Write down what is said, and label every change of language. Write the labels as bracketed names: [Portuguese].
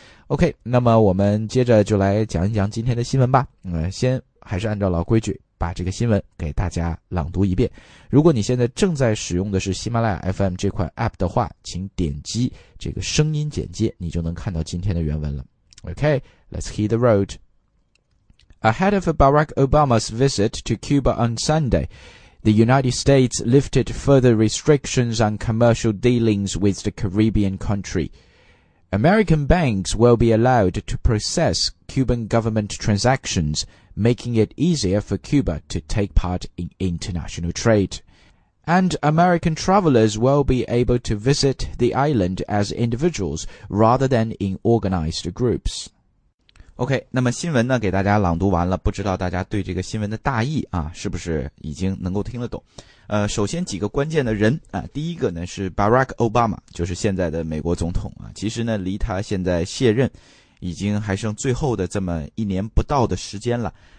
[Chinese] OK， 那么我们接着就来讲一讲今天的新闻吧。先还是按照老规矩，把这个新闻给大家朗读一遍。如果你现在正在使用的是喜马拉雅 FM 这款 APP 的话，请点击这个声音简介，你就能看到今天的原文了。 [English] OK，Let's hit the road。 Ahead of Barack Obama's visit to Cuba on Sunday, the United States lifted further restrictions on commercial dealings with the Caribbean country. American banks will be allowed to process Cuban government transactions, making it easier for Cuba to take part in international trade. And American travelers will be able to visit the island as individuals rather than in organized groups. [Chinese] OK， 那么新闻呢给大家朗读完了，不知道大家对这个新闻的大意啊是不是已经能够听得懂。首先几个关键的人啊，第一个呢是 Barack Obama， 就是现在的美国总统啊，其实呢离他现在卸任已经还剩最后的这么一年不到的时间了。